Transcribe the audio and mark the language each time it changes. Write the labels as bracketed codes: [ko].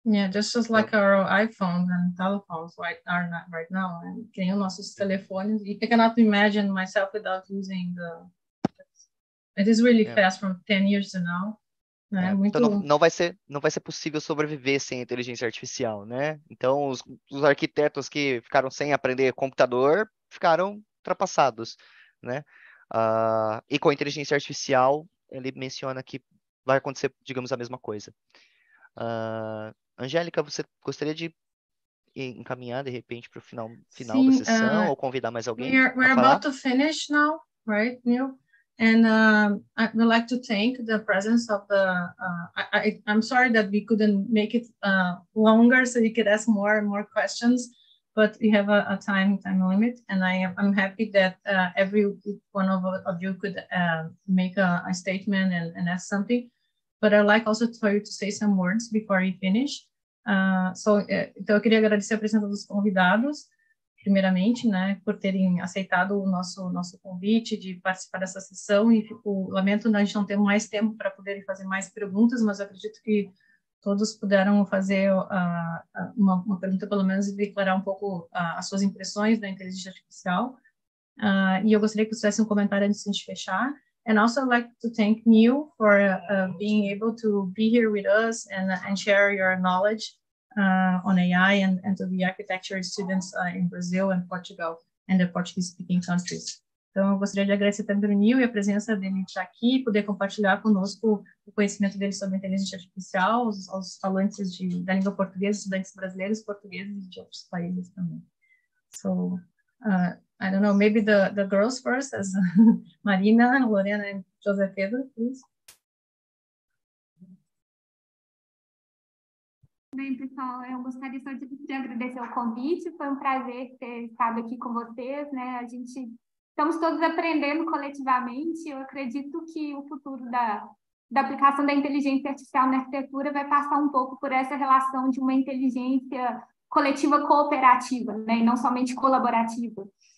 [en] Just like our iPhones and telephones right now. [pt] Tem os nossos telefones. [en] I cannot imagine myself without using the. It is really fast from 10 years to now. [pt] Então não vai ser possível sobreviver sem inteligência artificial, né? Então os arquitetos que ficaram sem aprender computador ficaram ultrapassados, né? E com a inteligência artificial ele menciona que vai acontecer, digamos, a mesma coisa. Angélica, você gostaria de encaminhar, de repente, para o final Sim, da sessão, ou convidar mais alguém para falar? [en] We're about to finish now, right, Neil? And I would like to thank the presence of the... I'm sorry that we couldn't make it longer, so you could ask more and more questions, but we have a time limit, and I'm happy that every one of you could make a statement and ask something. But I'd like also for you to say some words before you finish. [pt] Então, eu queria agradecer a presença dos convidados, primeiramente, né, por terem aceitado o nosso convite de participar dessa sessão, e lamento a gente não ter mais tempo para poder fazer mais perguntas, mas acredito que todos puderam fazer uma pergunta, pelo menos, e declarar um pouco as suas impressões da inteligência artificial. E eu gostaria que você tivesse um comentário antes de a gente fechar. [en] And also I'd like to thank Neil for being able to be here with us and share your knowledge on AI and to the architecture students in Brazil and Portugal and the Portuguese-speaking countries. [pt] Então, eu gostaria de agradecer também ao Neil e a presença dele aqui, poder compartilhar conosco o conhecimento dele sobre inteligência artificial, aos falantes da língua portuguesa, estudantes brasileiros, portugueses e de outros países também. [en] So, I don't know, maybe the girls first, as Marina, Lorena and José Pedro, please. [pt] Bem, pessoal, eu gostaria de agradecer muito pelo convite, foi um prazer ter estado aqui com vocês, né? A gente... Estamos todos aprendendo coletivamente. Eu acredito que o futuro da aplicação da inteligência artificial na arquitetura vai passar um pouco por essa relação de uma inteligência coletiva cooperativa, né? E não somente colaborativa.